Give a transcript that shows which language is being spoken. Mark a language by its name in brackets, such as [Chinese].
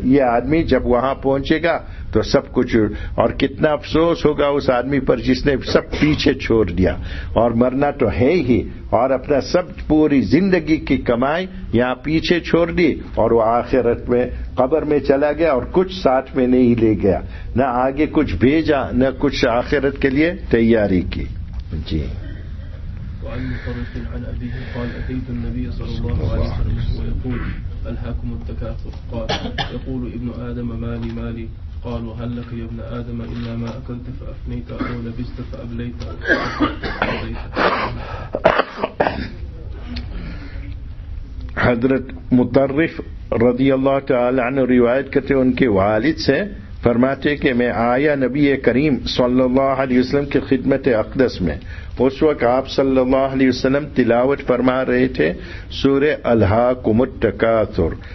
[Urdu] یہ آدمی جب وہاں پہنچے گا تو سب کچھ، اور کتنا افسوس ہوگا اس آدمی پر جس نے سب پیچھے چھوڑ دیا، اور مرنا تو ہے ہی، اور اپنا سب پوری زندگی کی کمائی یہاں پیچھے چھوڑ دی، اور وہ آخرت میں قبر میں چلا گیا اور کچھ ساتھ میں نہیں لے گیا، نہ آگے کچھ بھیجا، نہ کچھ آخرت کے لیے تیاری کی. جی. [Arabic] وعن مطرف عن أبيه قال أتيت النبي صلى الله عليه وسلم ويقول ألهاكم التكاثر؟ قال يقول ابن آدم مالي مالي؟ قالوا هل لك يا ابن آدم إلا ما أكلت فأفنيت أو لبست فأبليت أو فأبليت. [Urdu] حضرت مطرف رضی اللہ تعالی عنہ روایت کرتے ہیں، ان کے والد سے فرماتے کہ میں آیا نبی کریم صلی اللہ علیہ وسلم کی خدمت اقدس میں، اس وقت آپ صلی اللہ علیہ وسلم تلاوت فرما رہے تھے سورہ الہاکم التکاثر،